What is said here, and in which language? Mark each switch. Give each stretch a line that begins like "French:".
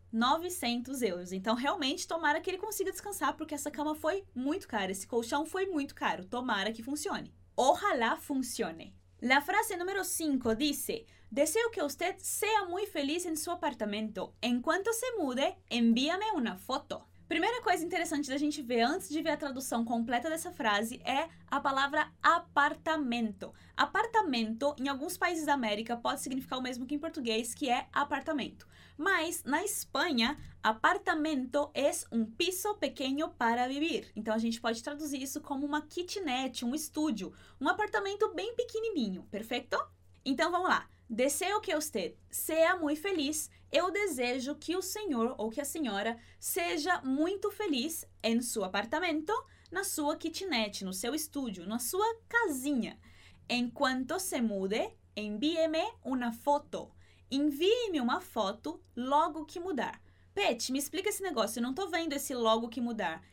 Portuguese: 900 euros. Então, realmente, tomara que ele consiga descansar porque essa cama foi muito cara, esse colchão foi muito caro. Tomara que funcione.
Spanish: Ojalá funcione. La frase número 5 dice: deseo que usted sea muy feliz en su apartamento. En cuanto se mude, envíame una foto.
Portuguese: Primeira coisa interessante da gente ver antes de ver a tradução completa dessa frase é a palavra apartamento. Apartamento, em alguns países da América, pode significar o mesmo que em português, que é apartamento. Mas, na Espanha,
Spanish: apartamento es un piso pequeño para vivir.
Portuguese: Então, a gente pode traduzir isso como uma kitnet, um estúdio, um apartamento bem pequenininho, perfeito? Então, vamos lá.
Spanish: Deseo que usted sea muy feliz.
Portuguese: Eu desejo que o senhor ou que a senhora seja muito feliz em seu apartamento, na sua kitnet, no seu estúdio, na sua casinha. Enquanto se mude, envíe-me uma foto. Envie-me uma foto logo que mudar. Pet, me explica esse negócio. Eu não estou vendo esse logo que mudar.